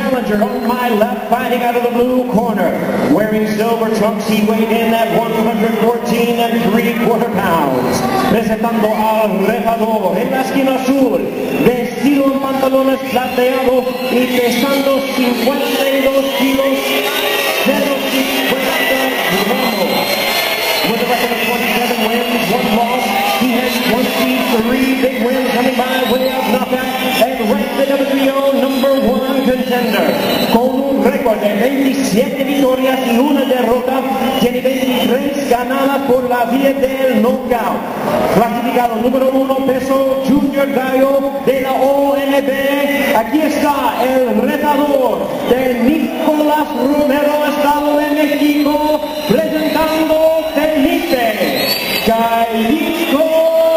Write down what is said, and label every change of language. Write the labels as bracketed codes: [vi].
[en] On my left, fighting out of the blue corner, wearing silver trunks, he weighed in at 114 and 3 quarter pounds. [es] Presentando al retador, en la esquina azul, vestido en pantalones plateados y pesando 52 kilos, 0.50 gramos. [en] With a record of 27 wins, 1 loss, he has 23 big wins coming by way of knockout and ranked the WBO number 1 contender. [es] Con un récord de 27 victorias y una derrota, tiene 23 ganadas por la vía del knockout. Clasificado número 1 peso, Junior Gallo de la OMB. Aquí está el retador de Nicolás Romero, Estado de México, presentando Felipe Gallito.